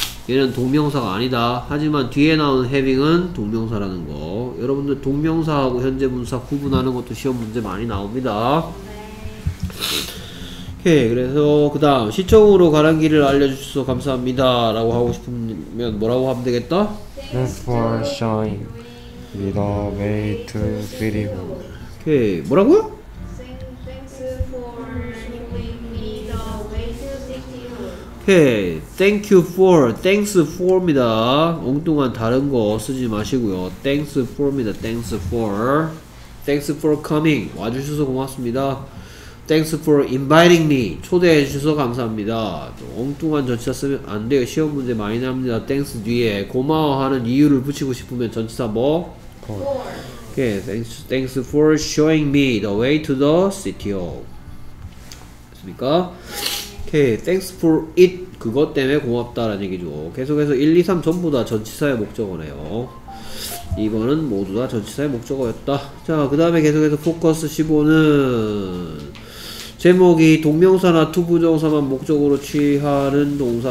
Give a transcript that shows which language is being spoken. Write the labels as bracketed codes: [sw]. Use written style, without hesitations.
[ko] 얘는 동명사가 아니다. 하지만 뒤에 나온 having은 동명사라는 거. 여러분들 동명사하고 현재 분사 구분하는 것도 시험 문제 많이 나옵니다. 오케이. 그래서 그 다음 시청으로 가는 길을 알려주셔서 감사합니다 라고 하고 싶으면 뭐라고 하면 되겠다? [en] Thanks for showing me the way to city hall. [ko] 오케이. 뭐라고요? [en] Thanks for showing me the way to city hall. 오케이. Thank you for, thanks for [ko] 입니다. 엉뚱한 다른 거 쓰지 마시고요. [en] Thanks for [ko] 입니다. [en] Thanks for. Thanks for coming. [ko] 와주셔서 고맙습니다. [en] Thanks for inviting me. [ko] 초대해 주셔서 감사합니다. 엉뚱한 전치사 쓰면 안 돼요. 시험 문제 많이 납니다. Thanks 뒤에 고마워 하는 이유를 붙이고 싶으면 전치사 뭐? [en] For. Okay. Thanks for showing me the way to the city hall. [ko] 됐습니까? [en] Okay. Thanks for it. [ko] 그것 때문에 고맙다라는 얘기죠. 계속해서 1, 2, 3 전부 다 전치사의 목적어네요. 이거는 모두 다 전치사의 목적어였다. 자, 그 다음에 계속해서 포커스 15는 제목이 동명사나 투부정사만 목적으로 취하는 동사.